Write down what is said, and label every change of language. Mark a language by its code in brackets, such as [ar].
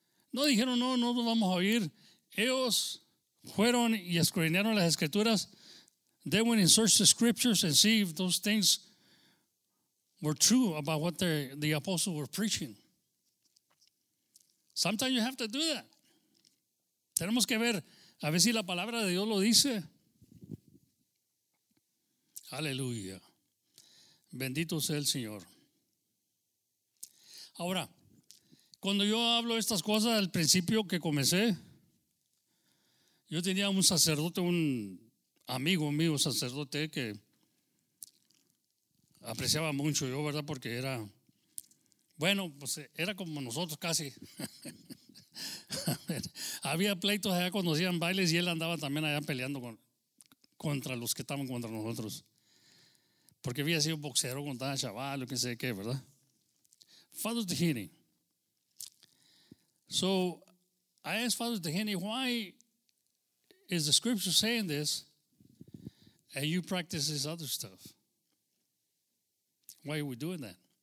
[es] No dijeron, no, no nos vamos a oír. Ellos fueron y escudriñaron las Escrituras. [en] They went and searched the scriptures and see if those things were true about what the apostles were preaching. Sometimes you have to do that. [es] Tenemos que ver, a ver si la palabra de Dios lo dice. Aleluya. Bendito sea el Señor. Ahora, cuando yo hablo estas cosas al principio que comencé, yo tenía un sacerdote, un amigo mío, sacerdote, que apreciaba mucho yo, ¿verdad? Porque era, bueno, pues era como nosotros casi. Había pleitos allá cuando hacían bailes y él andaba también allá peleando contra los que estaban contra nosotros. Porque había sido boxeador con tal chaval o qué sé qué, ¿verdad? [en] Father Tejini. So, I asked Father Tejini, why is the scripture saying this and you practice this other stuff? Why are we doing that?